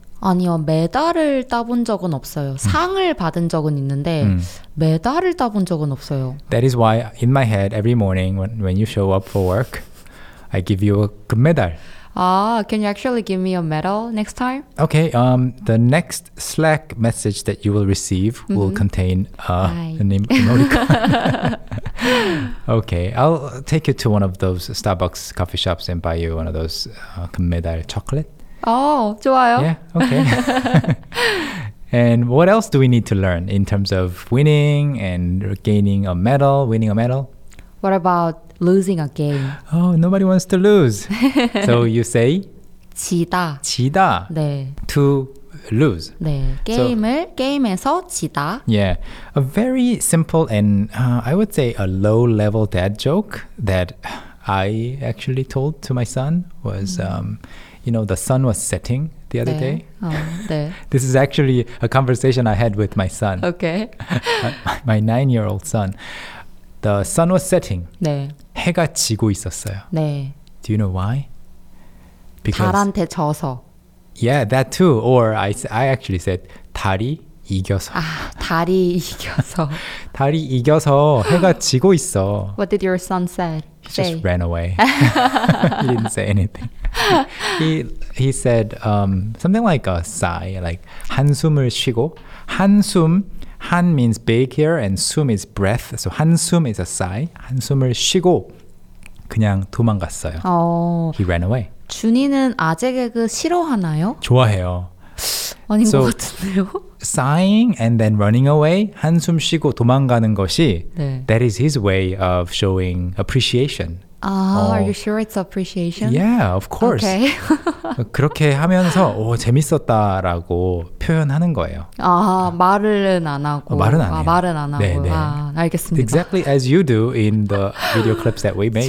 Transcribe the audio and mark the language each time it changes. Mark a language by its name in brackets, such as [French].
[Korean] 아니요, 메달을 따본 적은 없어요. 상을 받은 적은 있는데 메달을 따본 적은 없어요. [English] That is why in my head every morning when you show up for work, I give you a 금메달. Can you actually give me a medal next time? Okay, the next Slack message that you will receive will contain an emoticon. Okay, I'll take you to one of those Starbucks coffee shops and buy you one of those 금메달 chocolate. [Korean] 좋아요. [English] Yeah, okay. And what else do we need to learn in terms of winning and gaining a medal, winning a medal? What about losing a game? Oh, nobody wants to lose. So you say? [Korean] 지다. 지다. 네. [English] To lose. [Korean] 네. 게임을, so, 게임에서 지다. [English] Yeah. A very simple and I would say a low-level dad joke that I actually told to my son was, you know, the sun was setting the other [Korean] 네. [English] day. [Korean] 어, 네. [English] This is actually a conversation I had with my son. Okay. my 9-year-old son. The sun was setting. [Korean] 네. 해가 지고 있었어요. 네. [English] Do you know why? Because [Korean] 달한테 져서. [English] Yeah, that too. Or I actually said [Korean] 달이 이겨서. 아, 달이 이겨서. 달이 이겨서 해가 지고 있어. [English] What did your son said? He say? Just ran away. he didn't say anything. he said something like a sigh, like [Korean] 한숨을 쉬고. [English] 한숨, 한 means big here and 숨 is breath. So 한숨 is a sigh. [Korean] 한숨을 쉬고 그냥 도망갔어요. [English] Oh. He ran away. [Korean] 준이는 아재 개그 싫어하나요? 좋아해요. 아닌 so, 것 같은데요? [English] Sighing and then running away, [Korean] 한숨 쉬고 도망가는 것이 네. [English] That is his way of showing appreciation. Ah, oh. Are you sure it's appreciation? Yeah, of course. Okay. [Korean] 그렇게 하면서 오, 재밌었다라고 표현하는 거예요. 아, 말은 안 하고. 어, 말은 안 해요. 아, 말은 안 하고. 네, 네. 아, 알겠습니다. [English] Exactly as you do in the video clips that we made.